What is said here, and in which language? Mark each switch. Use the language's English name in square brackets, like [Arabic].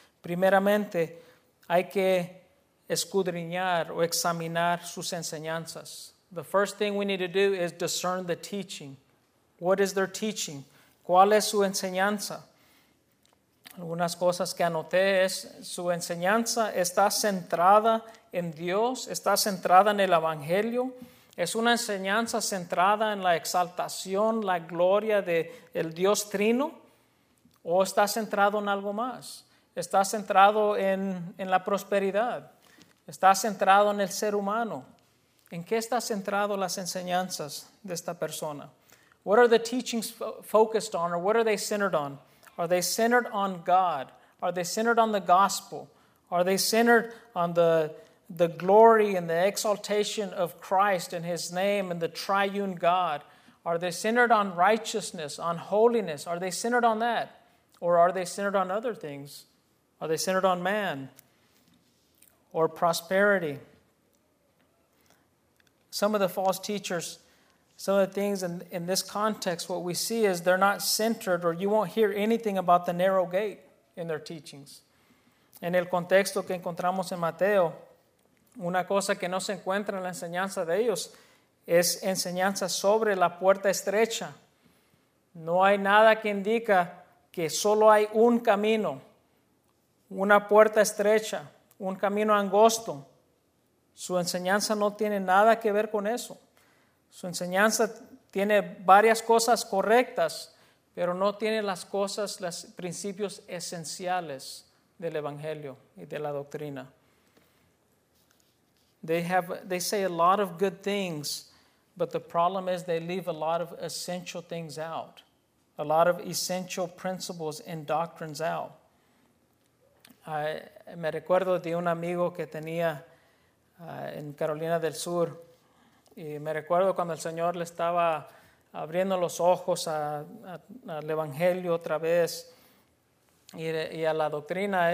[Spanish] Primeramente, hay que escudriñar o examinar sus enseñanzas. [English] The first thing we need to do is discern the teaching. What is their teaching? [Spanish] ¿Cuál es su enseñanza? Algunas cosas que anoté es, su enseñanza está centrada en Dios, está centrada en el Evangelio. Es una enseñanza centrada en la exaltación, la gloria del Dios Trino, o está centrado en algo más. Está centrado en la prosperidad. Está centrado en el ser humano. ¿En qué está centrado las enseñanzas de esta persona? [English] What are the teachings focused on, or what are they centered on? Are they centered on God? Are they centered on the gospel? Are they centered on the glory and the exaltation of Christ and His name and the triune God? Are they centered on righteousness, on holiness? Are they centered on that? Or are they centered on other things? Are they centered on man or prosperity? Some of the false teachers, some of the things in this context, what we see is they're not centered, or you won't hear anything about the narrow gate in their teachings. [Spanish] En el contexto que encontramos en Mateo, una cosa que no se encuentra en la enseñanza de ellos es enseñanza sobre la puerta estrecha. No hay nada que indica que solo hay un camino, una puerta estrecha, un camino angosto. Su enseñanza no tiene nada que ver con eso. Su enseñanza tiene varias cosas correctas, pero no tiene las cosas, los principios esenciales del Evangelio y de la doctrina. [English] They say a lot of good things, but the problem is they leave a lot of essential things out, a lot of essential principles and doctrines out. [Spanish] Me recuerdo de un amigo que tenía en Carolina del Sur, y me recuerdo cuando el Señor le estaba abriendo los ojos al Evangelio otra vez y a la doctrina.